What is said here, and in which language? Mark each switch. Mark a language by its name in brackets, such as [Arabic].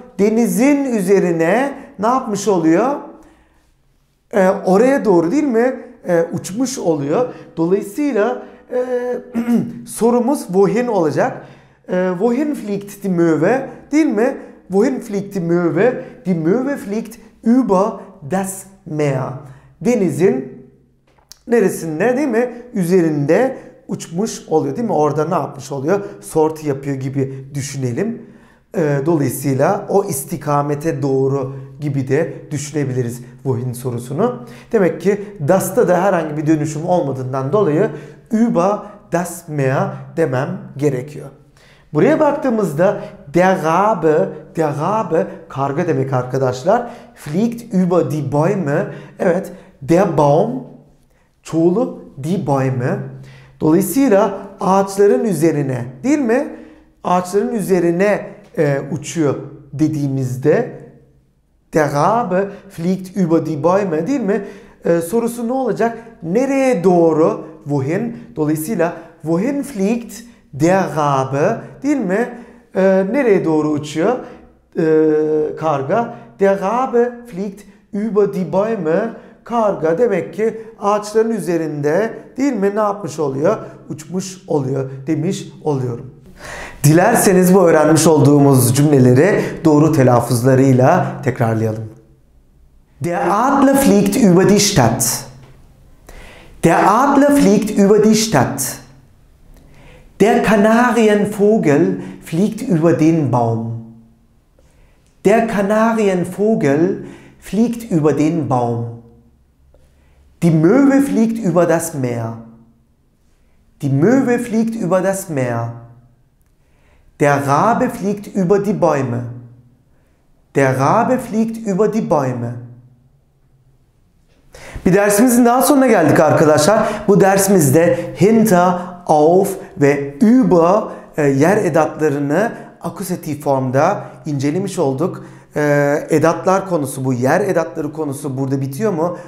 [Turkish] Denizin üzerine ne yapmış oluyor? Oraya doğru değil mi? Uçmuş oluyor. Dolayısıyla sorumuz wohin olacak. [German] Wohin fliegt die Möwe [Turkish] değil mi? [German] Wohin fliegt die Möwe? Die Möwe fliegt über das Meer. [Turkish] Denizin neresinde değil mi? Üzerinde uçmuş oluyor değil mi? Orada ne yapmış oluyor? Sortie yapıyor gibi düşünelim. Dolayısıyla o istikamete doğru gibi de düşünebiliriz wohin sorusunu. Demek ki das'ta da herhangi bir dönüşüm olmadığından dolayı [German] über das Meer [Turkish] demem gerekiyor. Buraya baktığımızda [German] der Rabe [Turkish] karga demek arkadaşlar. [German] Fliegt über die Bäume. [Turkish] Evet, [German] der Baum [Turkish] çoğulu [German] die Bäume. [Turkish] Dolayısıyla ağaçların üzerine değil mi? Ağaçların üzerine uçuyor dediğimizde [German] der Rabe fliegt über die Bäume [Turkish] değil mi? Sorusu ne olacak? Nereye doğru? [German] Wohin? [Turkish] Dolayısıyla [German] wohin fliegt der Rabe [Turkish] değil mi? Nereye doğru uçuyor karga? [German] Der Rabe fliegt über die Bäume. [Turkish] Karga demek ki ağaçların üzerinde değil mi? Ne yapmış oluyor? Uçmuş oluyor demiş oluyorum. Dilerseniz bu öğrenmiş olduğumuz cümleleri doğru telaffuzlarıyla tekrarlayalım. [German] Der Adler fliegt über die Stadt. Der Adler fliegt über die Stadt. Der Kanarienvogel fliegt über den Baum. Der Kanarienvogel fliegt über den Baum. Die Möwe fliegt über das Meer. Die Möwe fliegt über das Meer. Der Rabe fliegt über die Bäume. Der Rabe fliegt über die Bäume. [Turkish] Bir dersimizin daha sonuna geldik arkadaşlar. Bu dersimizde hinter, auf ve über yer edatlarını akusatif formda incelemiş olduk. Edatlar konusu bu, yer edatları konusu burada bitiyor mu?